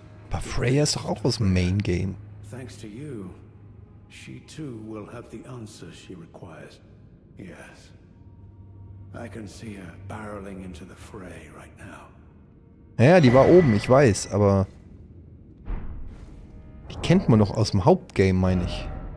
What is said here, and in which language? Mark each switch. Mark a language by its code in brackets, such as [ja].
[de] Aber Freya ist doch auch aus dem Main Game. [en] Thanks to you, she too will have the answer she requires. Yes. I can see her barreling into the fray right now. [de] Ja, die war oben, ich weiß, aber die kennt man noch aus dem Hauptgame, meine ich.